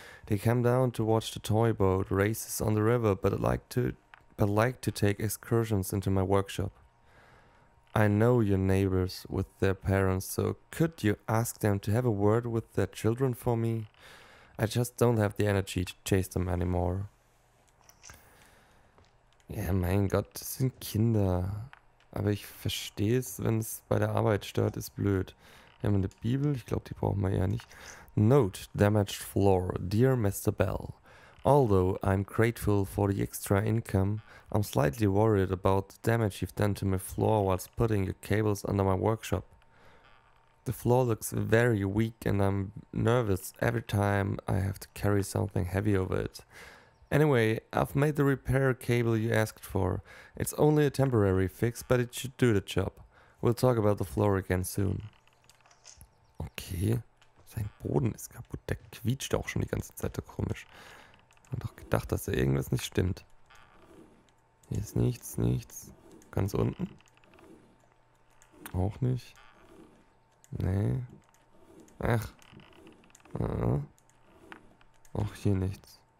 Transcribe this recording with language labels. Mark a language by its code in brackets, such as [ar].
[en] They come down to watch the toy boat races on the river, but like to take excursions into my workshop. I know your neighbors with their parents, so could you ask them to have a word with their children for me? I just don't have the energy to chase them anymore. [de] Ja, mein Gott, das sind Kinder. Aber ich verstehe es, wenn es bei der Arbeit stört, ist blöd. Wir haben eine Bibel, ich glaube, die brauchen wir ja nicht. [en] Note, damaged floor. Dear Mr. Bell, although I'm grateful for the extra income, I'm slightly worried about the damage you've done to my floor whilst putting your cables under my workshop. The floor looks very weak and I'm nervous every time I have to carry something heavy over it. Anyway, I've made the repair cable you asked for. It's only a temporary fix, but it should do the job. We'll talk about the floor again soon. Okay. [de] Sein Boden ist kaputt, der quietscht auch schon die ganze Zeit so komisch. Ich hab doch gedacht, dass da irgendwas nicht stimmt. Hier ist nichts, nichts. Ganz unten? Auch nicht. Nee. Ach. Ah. Auch hier nichts.